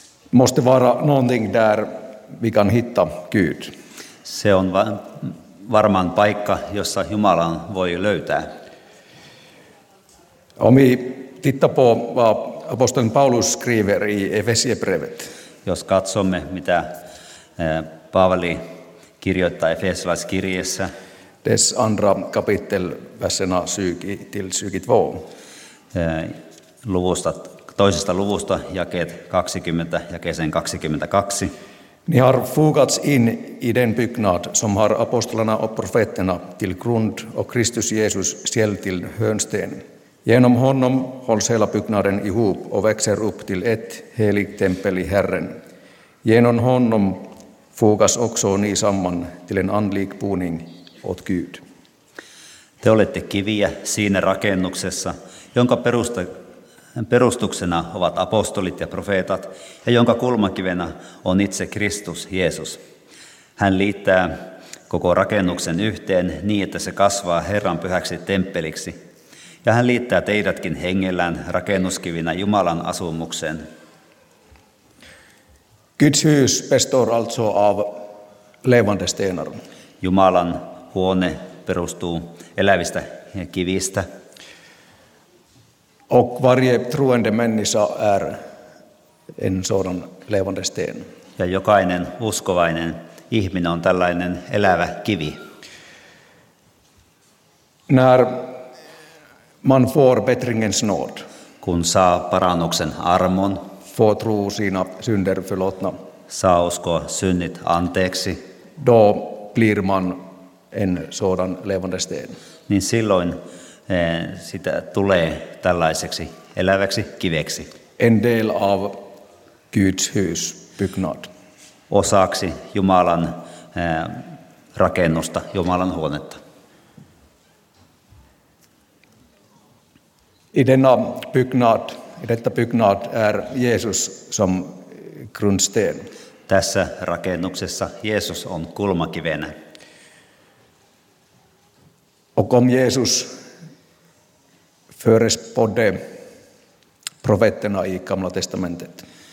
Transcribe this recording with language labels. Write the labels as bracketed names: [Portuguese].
[Swedish] Måste vara någonting där vi kan hitta Gud. [Finnish] Se on varmaan paikka, jossa Jumalan voi löytää. [Swedish] Om vi tittar på vad aposteln Paulus skriver i Efesiebrevet. [Finnish] Jos katsomme, mitä Paavali kirjoittaa Efesilaiskirjeessä. [Swedish] Dess andra kapitel väsena syki till 22. [Finnish] Toisesta luvusta jakeet 20 ja kesen 22. [Swedish] Ni har fogats in i den byggnad som har apostlarna och profeterna till grund och Kristus Jesus själv till hörnsten. Genom honom hålls hela byggnaden ihop och växer upp till ett heligt tempel i Herren. Genom honom fogas också ni samman till en andlig boning åt Gud. [Finnish] Te olette kiviä siinä rakennuksessa, jonka perustuksena ovat apostolit ja profeetat, ja jonka kulmakivenä on itse Kristus Jeesus. Hän liittää koko rakennuksen yhteen niin, että se kasvaa Herran pyhäksi temppeliksi, ja hän liittää teidätkin hengellään rakennuskivinä Jumalan asumukseen. [Swedish] Guds hus består alltså av levande stenar. [Finnish] Jumalan huone perustuu elävistä kivistä. [Swedish] Och varje troende människa är en sådan levande sten. [Finnish] Ja jokainen uskovainen ihminen on tällainen elävä kivi. [Swedish] När man får bättringens nåd. [Finnish] Kun saa parannuksen armon. [Swedish] Får tro sina synder förlåtna. [Finnish] Saa uskoa synnit anteeksi. [Swedish] Då blir man en sådan levande sten. [Finnish] Niin silloin sitä tulee tällaiseksi eläväksi kiveksi. [Swedish] En del av Guds hus byggnad. [Finnish] Osaksi Jumalan rakennusta, Jumalan huonetta. [Swedish] I denna byggnad, i detta byggnad är Jesus som grundsten. [Finnish] Tässä rakennuksessa Jeesus on kulmakivenä. [Swedish] Och om Jesus förespådde profeterna i Gamla testamentet.